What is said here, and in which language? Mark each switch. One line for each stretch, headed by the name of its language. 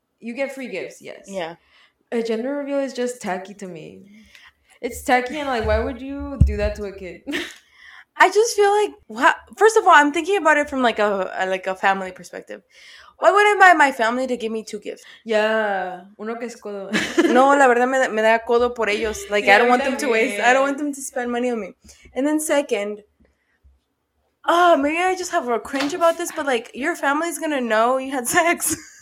English: You get free gifts, yes. Yeah. A gender reveal is just tacky to me. It's tacky, and, like, why would you do that to a kid? I just feel like, first of all, I'm thinking about it from, like, a family perspective. Why would I buy my family to give me two gifts?
Spanish: Yeah. Uno que es codo. No, la verdad, me da codo por ellos.
English: Like, yeah, I don't want them to waste. I don't want them to spend money on me. And then second, maybe I just have a cringe about this, but, like, your family's going to know you had sex.